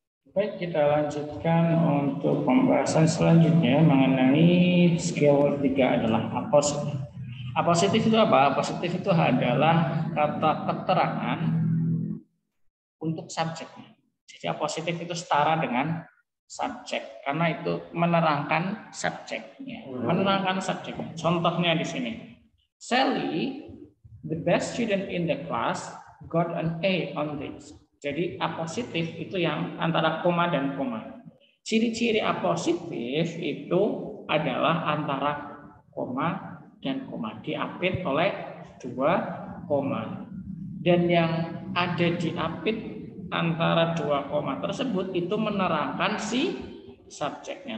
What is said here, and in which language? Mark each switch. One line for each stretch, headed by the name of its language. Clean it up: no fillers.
Indonesian: Baik, kita lanjutkan untuk pembahasan selanjutnya mengenai skill 3 adalah apositif. Apositif itu apa? Apositif itu adalah kata keterangan untuk subjek. Jadi apositif itu setara dengan subjek karena itu menerangkan subjeknya. Menerangkan subjeknya. Contohnya di sini.
English: Sally, the best student in the class, got an A on this.
Indonesian: Jadi apositif itu yang antara koma dan koma. Ciri-ciri apositif itu adalah antara koma dan koma. Diapit oleh dua koma. Dan yang ada diapit antara dua koma tersebut itu menerangkan si subjeknya.